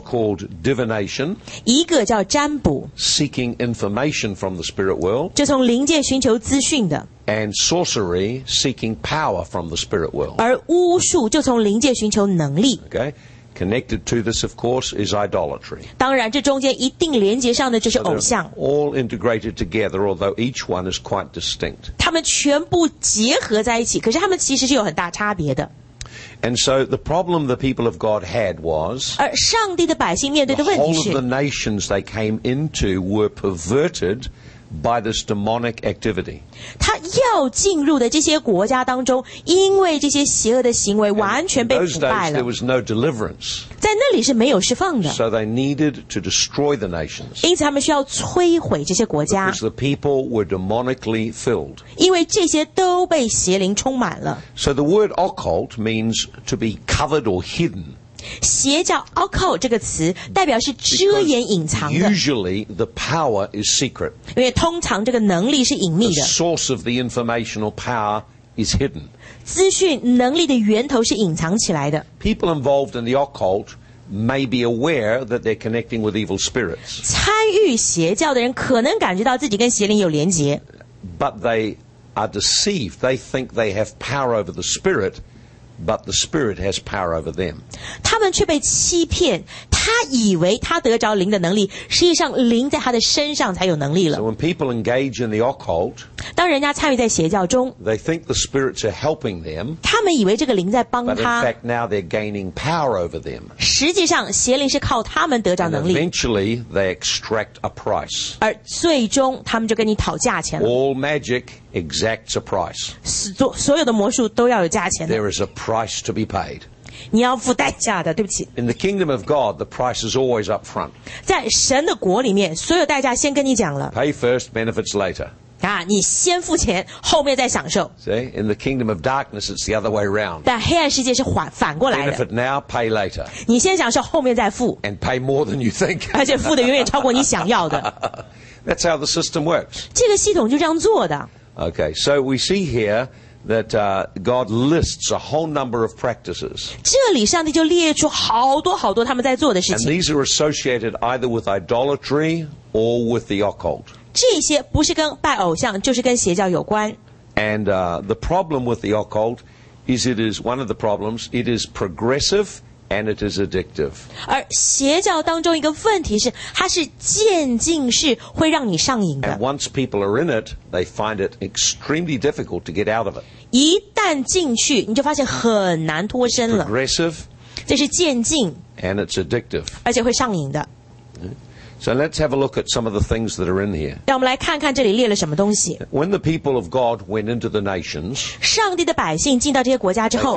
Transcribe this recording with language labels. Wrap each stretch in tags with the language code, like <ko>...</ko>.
<en>are what's called divination</en> <zh>一个叫占卜</zh> <en>seeking information from the spirit world</en> <zh>就从灵界寻求资讯的</zh> <en>and sorcery seeking power from the spirit world</en> <zh>而巫术就从灵界寻求能力</zh> <en>okay connected to this of course is idolatry</en> <zh>当然这中间一定连接上的就是偶像</zh> <en>so they're all integrated together although each one is quite distinct</en> <zh>他们全部结合在一起可是他们其实是有很大差别的</zh> <en>and so the problem the people of God had was</en> <zh>而上帝的百姓面对的问题是</zh> <en>the whole of the nations they came into were pervertedby this demonic activity.</en> <zh>他要进入的这些国家当中因为这些邪恶的行为完全被腐败了。</zh> <en>In those days, there was no deliverance.</en> <zh>在那里是没有释放的。</zh> <en>So they needed to destroy the nations.</en> <zh>因此他们需要摧毁这些国家。</zh> <en>Because the people were demonically filled.</en> <zh>因为这些都被邪灵充满了。</zh> <en>So the word occult means to be covered or hidden.</en> <zh>邪教 occult 这个词代表是遮掩隐藏的</zh> <en>usually the power is secret</en> <zh>因为通常这个能力是隐秘的</zh> <en>the source of the informational power is hidden</en> <zh>资讯能力的源头是隐藏起来的</zh> <en>people involved in the occult may be aware that they're connecting with evil spirits</en> <zh>参与邪教的人可能感觉到自己跟邪灵有连结</zh> <en>but they are deceived they think they have power over the spiritBut the Spirit has power over them.</en> <zh>他们却被欺骗他以为他得着灵的能力实际上灵在他的身上才有能力了</zh> <en>So when people engage in the occult</en> <zh>当人家参与在邪教中</zh> <en>They think the spirits are helping them</en> <zh>他们以为这个灵在帮他</zh> <en>But in fact now they're gaining power over them</en> <zh>实际上邪灵是靠他们得着能力</zh> <en>And eventually they extract a price</en> <zh>而最终他们就跟你讨价钱了</zh> <en>All magic exacts a price</en> <zh>所有的魔术都要有价钱的</zh> <en>There is a price to be paid</en> <zh>你要付代价的对不起</zh> <en>In the kingdom of God the price is always up front</en> <zh>在神的国里面所有代价先跟你讲了</zh> <en>Pay first benefits later</en> <zh>啊，你先付钱，后面再享受。</zh> <en>See, in the kingdom of darkness, it's the other way around.</en> <zh>但黑暗世界是反过来的。</zh> <en>Benefit now, pay later.</en> <zh>你先享受，后面再付。</zh> <en>And pay more than you think.</en> <zh>而且付的远远超过你想要的。</zh> <en>That's how the system works.</en> <zh>这个系统就这样做的。</zh> <en>Okay, so we see here that God lists a whole number of practices.</en> <zh>这里上帝就列出好多好多他们在做的事情。</zh> <en>And these are associated either with idolatry or with the occult.</en> <zh>这些不是跟拜偶像，就是跟邪教有关。</zh> <en>And the problem with the occult is it is one of the problems. It is progressive and it is addictive.</en> <zh>而邪教当中一个问题是，它是渐进式，会让你上瘾的。</zh> <en>And once people are in it, they find it extremely difficult to get out of it.</en> <zh>一旦进去，你就发现很难脱身了。</zh> <en>Progressive.</en> <zh>这是渐进。</zh> <en>And it's addictive.</en> <zh>而且会上瘾的。</zh> <en>So let's have a look at some of the things that are in here.</en> <zh>让我们来看看这里列了什么东西。</zh> <en>When the people of God went into the nations,</en> <zh>上帝的百姓进到这些国家之后，</zh>